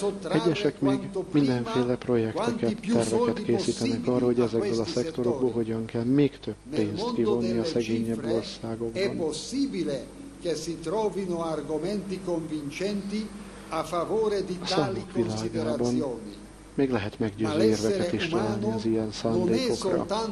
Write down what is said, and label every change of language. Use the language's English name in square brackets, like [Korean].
[Hungarian] Egyesek még mindenféle projekteket, terveket készítenek arra, hogy ezekből a szektorokból hogyan kell még több pénzt kivonni a szegényebb országokban. [Italian] Che si trovino argomenti convincenti a favore di tali considerazioni. [Hungarian] Még lehet meggyőző érveket is találni az ilyen szándékokra.